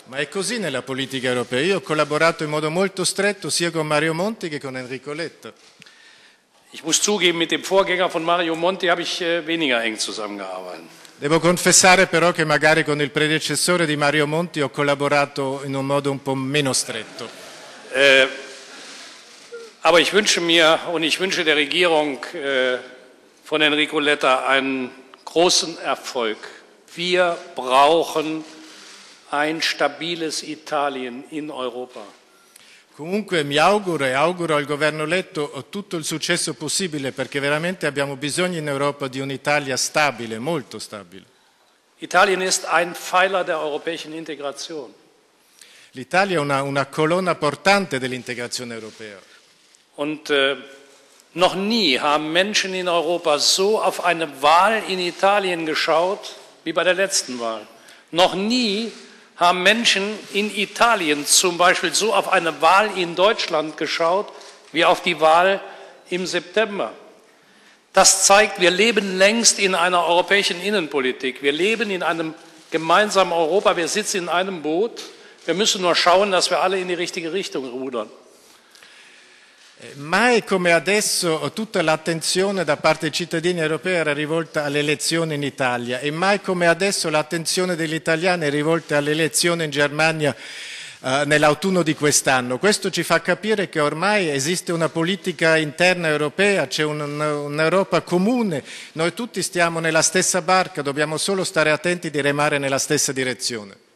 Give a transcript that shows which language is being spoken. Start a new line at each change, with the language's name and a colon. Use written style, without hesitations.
Italian: Ma è così nella politica europea. Io ho collaborato in modo molto stretto sia con Mario Monti che con Enrico Letta.
German: Ich muss zugeben, mit dem Vorgänger von Mario Monti habe ich weniger eng zusammengearbeitet.
Italian: Devo confessare però che magari con il predecessore di Mario Monti ho collaborato in un modo un po' meno stretto.
German: Aber ich wünsche mir und ich wünsche der Regierung von Enrico Letta einen großen Erfolg. Wir brauchen ein stabiles Italien in Europa.
Italian: Comunque mi auguro e auguro al governo Letta tutto il successo possibile perché veramente abbiamo bisogno in Europa di un'Italia stabile, molto stabile.
German: Italien ist ein Pfeiler der europäischen Integration.
Italian: L'Italia è una colonna portante dell'integrazione europea.
German: Und noch nie haben Menschen in Europa so auf eine Wahl in Italien geschaut wie bei der letzten Wahl. Noch nie haben Menschen in Italien zum Beispiel so auf eine Wahl in Deutschland geschaut, wie auf die Wahl im September. Das zeigt, wir leben längst in einer europäischen Innenpolitik. Wir leben in einem gemeinsamen Europa, wir sitzen in einem Boot. Wir müssen nur schauen, dass wir alle in die richtige Richtung rudern.
Italian: Mai come adesso tutta l'attenzione da parte dei cittadini europei era rivolta alle elezioni in Italia e mai come adesso l'attenzione degli italiani è rivolta alle elezioni in Germania nell'autunno di quest'anno. Questo ci fa capire che ormai esiste una politica interna europea, c'è un'Europa comune, noi tutti stiamo nella stessa barca, dobbiamo solo stare attenti di remare nella stessa direzione.